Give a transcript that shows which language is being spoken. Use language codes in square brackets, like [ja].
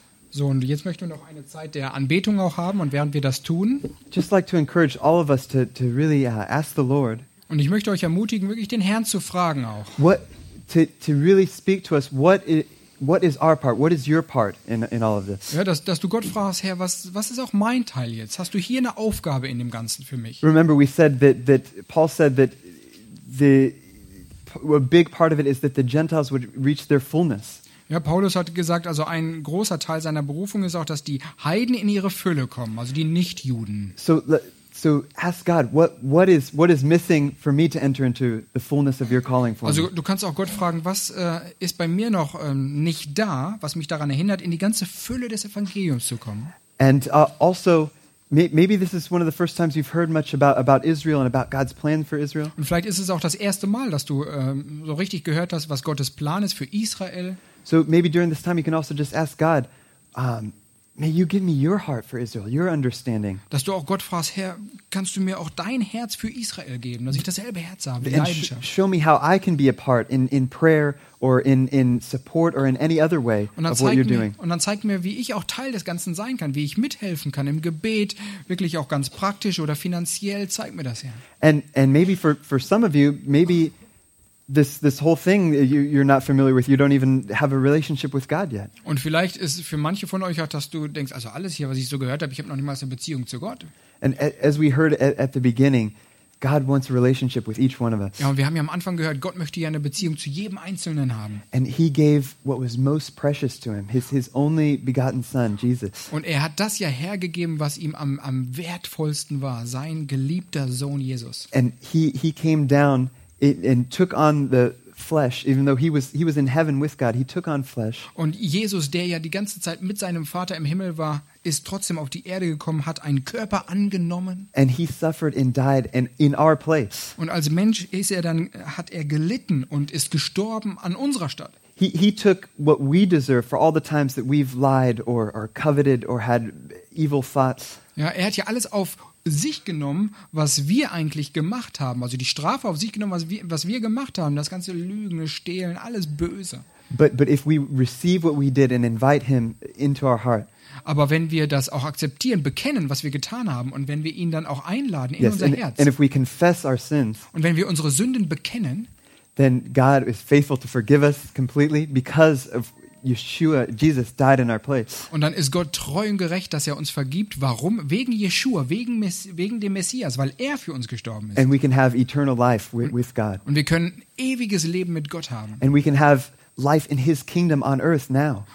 [de] So, und jetzt möchten wir noch eine Zeit der Anbetung auch haben, und während wir das tun, [en] just like to encourage all of us to really ask the Lord. [de] Und ich möchte euch ermutigen, wirklich den Herrn zu fragen auch. [en] What to really speak to us, what is our part? What is your part in all of this? [de] Ja, dass du Gott fragst, Herr, was ist auch mein Teil jetzt? Hast du hier eine Aufgabe in dem Ganzen für mich? [en] Remember we said that Paul said that a big part of it is that the Gentiles would reach their fullness. [de] Ja, Paulus hat gesagt, also ein großer Teil seiner Berufung ist auch, dass die Heiden in ihre Fülle kommen, also die Nichtjuden. [en] So ask God, what is missing for me to enter into the fullness of your calling for me? [de] Also du kannst auch Gott fragen, was ist bei mir noch nicht da, was mich daran hindert, in die ganze Fülle des Evangeliums zu kommen. [en] And also maybe this is one of the first times you've heard much about Israel and about God's plan for Israel. [de] Und vielleicht ist es auch das erste Mal, dass du so richtig gehört hast, was Gottes Plan ist für Israel. [en] So maybe during this time you can also just ask God, May you give me your heart for Israel, your understanding. [de] Dass du auch Gott fragst, Herr, kannst du mir auch dein Herz für Israel geben, dass ich dasselbe Herz habe, die Leidenschaft. [en] Show me how I can be a part in prayer or in support or in any other way of what you're doing. [de] Und dann zeig mir, wie ich auch Teil des Ganzen sein kann, wie ich mithelfen kann im Gebet, wirklich auch ganz praktisch oder finanziell. Zeig mir das, Herr. [en] And maybe for some of you, maybe This whole thing you're not familiar with, you don't even have a relationship with God yet. [de] Und vielleicht ist für manche von euch auch, dass du denkst, also alles hier, was ich so gehört habe, ich habe noch niemals eine Beziehung zu Gott. [en] And as we heard at the beginning, God wants a relationship with each one of us. [de] Ja, und wir haben ja am Anfang gehört, Gott möchte ja eine Beziehung zu jedem Einzelnen haben. [en] And he gave what was most precious to him, his only begotten son, Jesus. [de] Und er hat das ja hergegeben, was ihm am wertvollsten war, sein geliebter Sohn Jesus. [en] And he came down and took on the flesh, even though he was in heaven with God, he took on flesh. [de] Und Jesus, der ja die ganze Zeit mit seinem Vater im Himmel war, ist trotzdem auf die Erde gekommen, hat einen Körper angenommen. [en] And he suffered and died and in our place. [de] Und als Mensch ist er dann, hat er gelitten und ist gestorben an unserer Stadt. [en] He took what we deserve for all the times that we've lied or coveted or had evil thoughts. [de] Ja, er hat ja alles auf sich genommen, was wir eigentlich gemacht haben, also die Strafe auf sich genommen, was wir gemacht haben, das ganze Lügen, Stehlen, alles Böse. [en] But if we receive what we did and invite him into our heart. [de] Aber wenn wir das auch akzeptieren, bekennen, was wir getan haben, und wenn wir ihn dann auch einladen in unser Herz. [en] And if we confess our sins. [de] Und wenn wir unsere Sünden bekennen, [en] then God is faithful to forgive us completely because of Yeshua, Jesus died in our place. [de] Und dann ist Gott treu und gerecht, dass er uns vergibt. Warum? Wegen Yeshua, wegen dem Messias, weil er für uns gestorben ist. [en] And we can have eternal life with God. [de] Und wir können ewiges Leben mit Gott haben. [en] And we can have life in his kingdom on earth now.